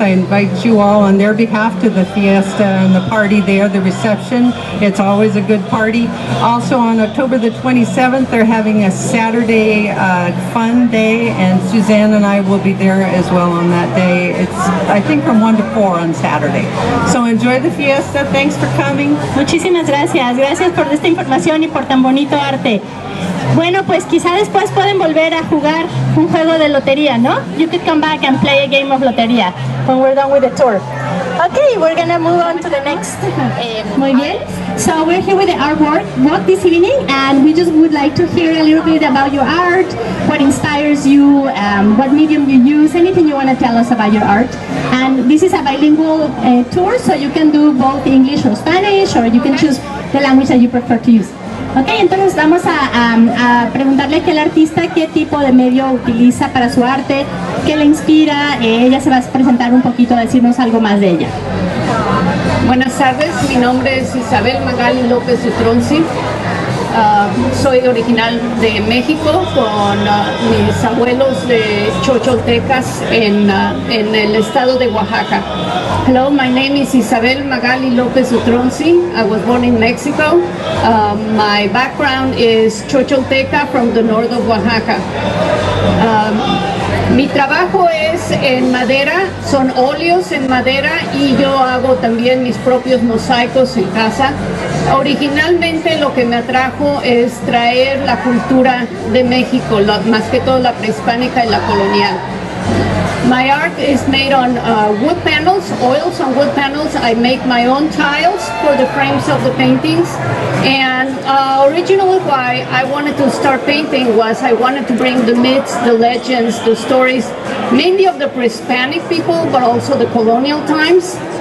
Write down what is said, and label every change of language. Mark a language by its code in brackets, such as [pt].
[en] I invite you all on their behalf to the fiesta and the party there, the reception. It's always a good party. Also on October the 27th, they're having a Saturday fun day, and Suzanne and I will be there as well on that day. It's, I think, from 1 to 4 on Saturday. So enjoy the fiesta. Thanks for coming. [es] Muchísimas gracias. Gracias por esta información y por tan bonito arte. Bueno, pues quizá después pueden volver a jugar un juego de lotería, ¿no? [en] You could come back and play a game of lotería when we're done with the tour. Okay, we're gonna move on to the next. [es] Muy bien. [en] So we're here with the artwork walk this evening, and we just would like to hear a little bit about your art, what inspires you, what medium you use, anything you want to tell us about your art. And this is a bilingual tour, so you can do both English or Spanish, or you can choose the language that you prefer to use. [es] Okay, entonces vamos a preguntarle que el artista qué tipo de medio utiliza para su arte, qué le inspira. Ella se va a presentar un poquito, a decirnos algo más de ella. Buenas tardes, mi nombre es Isabel Magali López de Tronci. Soy original de México, con mis abuelos de Chocholtecas en el estado de Oaxaca. [en] Hello, my name is Isabel Magali López Utronzi. I was born in Mexico. My background is Chocholteca from the north of Oaxaca. [es] Mi trabajo es en madera, son óleos en madera, y yo hago también mis propios mosaicos en casa. Originalmente lo que me atrajo es traer la cultura de México, más que todo la prehispánica y la colonial. [en] My art is made on wood panels, oils on wood panels. I make my own tiles for the frames of the paintings. And originally why I wanted to start painting was I wanted to bring the myths, the legends, the stories, mainly of the pre-Hispanic people, but also the colonial times.